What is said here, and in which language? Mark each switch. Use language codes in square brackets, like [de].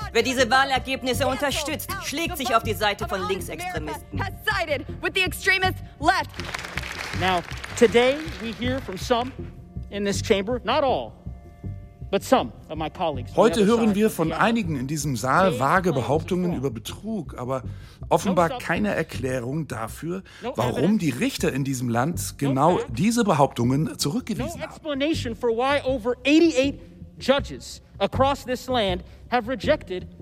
[de] Wer diese Wahlergebnisse unterstützt, schlägt sich auf die Seite von Linksextremisten. [en] Now, today we hear from some in this chamber, not all. [de] Heute hören wir von einigen in diesem Saal vage Behauptungen über Betrug, aber offenbar keine Erklärung dafür, warum die Richter in diesem Land genau diese Behauptungen zurückgewiesen haben.